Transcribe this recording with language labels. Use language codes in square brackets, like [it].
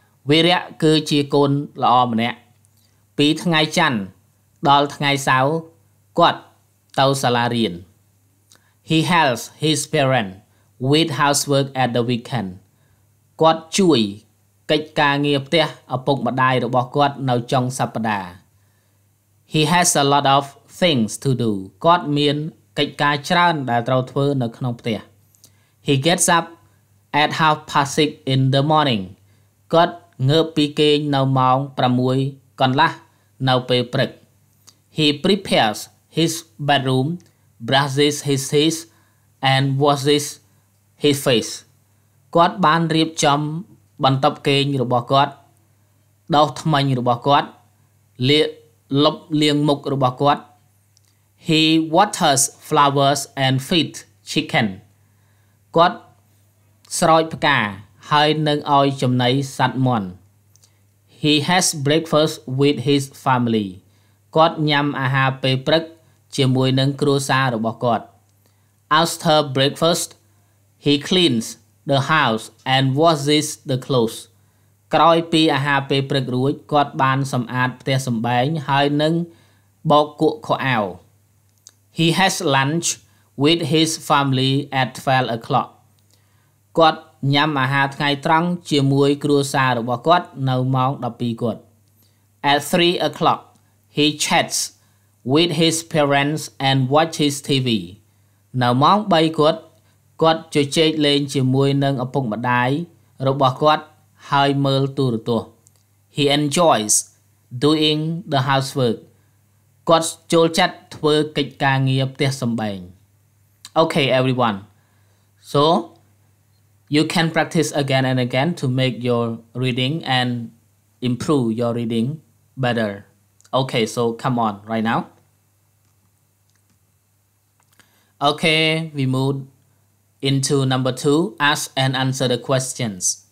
[km] Virya គឺជាកូនល្អម្នាក់ពីថ្ងៃច័ន្ទដល់ថ្ងៃសៅរ៍គាត់ទៅសាលារៀន [en] He helps his parents with housework at the weekend. [km] គាត់ជួយកិច្ចការងារផ្ទះឪពុកម្ដាយរបស់គាត់នៅចុងសប្ដាហ៍ [en] He has a lot of things to do. [km] គាត់មានកិច្ចការច្រើនដែលត្រូវធ្វើនៅក្នុងផ្ទះ [en] He gets up at 6:30 in the morning. [km] គាត់ងើបពីគេងនៅម៉ោង6កន្លះនៅពេលព្រឹក [en] He prepares his bedroom, brushes his teeth, and washes his face. [km] គាត់បានរៀបចំបន្ទប់គេងរបស់គាត់ដោះធ្មេញរបស់គាត់លាបលុបលាងមុខរបស់គាត់ [en] He waters flowers and feeds chicken. [km] គាត់ស្រោចផ្កាហើយនឹងឲ្យចំណីសត្វមាន់ [en] He has breakfast with his family. [km] គាត់ញ៉ាំអាហារពេលព្រឹកជាមួយនឹងគ្រួសាររបស់គាត់ [en] After breakfast, he cleans the house and washes the clothes. [km] ក្រោយពីអាហារពេលព្រឹករួចគាត់បានសម្អាតផ្ទះសម្បែងហើយនឹងបោកគក់ខោអាវ [en] He has lunch with his family at 12 o'clock. [km] គាត់ញ៉ាំអាហារថ្ងៃត្រង់ជាមួយគ្រួសាររបស់គាត់នៅម៉ោង12គាត់ [en] At 3 o'clock, he chats with his parents and watches TV. [km] នៅម៉ោង3គាត់គាត់ជជែកលេងជាមួយនឹងឪពុកម្ដាយរបស់គាត់ហើយមើលទូរទស្សន៍ [en] He enjoys doing the housework. [km] គាត់ចូលចិត្តធ្វើកិច្ចការងារផ្ទះសម្បែង [en] Okay, everyone. So,you can practice again and again to make your reading and improve your reading better. Okay, so come on right now. Okay, we move into number 2, ask and answer the questions.